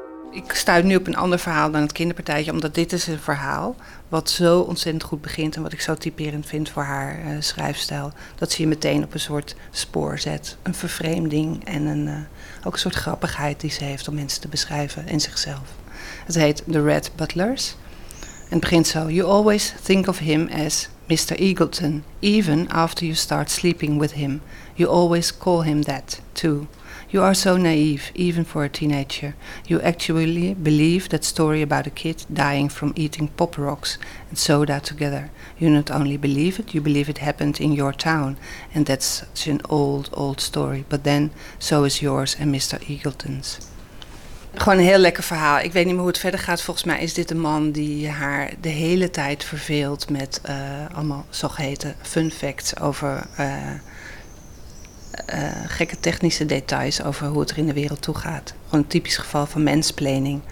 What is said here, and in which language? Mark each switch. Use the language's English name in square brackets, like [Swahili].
[Dutch] Ik stuit nu op een ander verhaal dan het kinderpartijtje, omdat dit is een verhaal wat zo ontzettend goed begint en wat ik zo typerend vind voor haar schrijfstijl, dat ze je meteen op een soort spoor zet. Een vervreemding en ook een soort grappigheid die ze heeft om mensen te beschrijven en zichzelf. Het heet The Red Butlers en het begint zo. [English] You always think of him as Mr. Eagleton, even after you start sleeping with him. You always call him that, too. You are so naive, even for a teenager. You actually believe that story about a kid dying from eating pop rocks and soda together. You not only believe it, you believe it happened in your town. And that's such an old, old story. But then, so is yours and Mr. Eagleton's. [Dutch] Gewoon een heel lekker verhaal. Ik weet niet meer hoe het verder gaat. Volgens mij is dit een man die haar de hele tijd verveelt met allemaal zogeheten fun facts over... gekke technische details over hoe het er in de wereld toe gaat. Gewoon een typisch geval van mansplaining.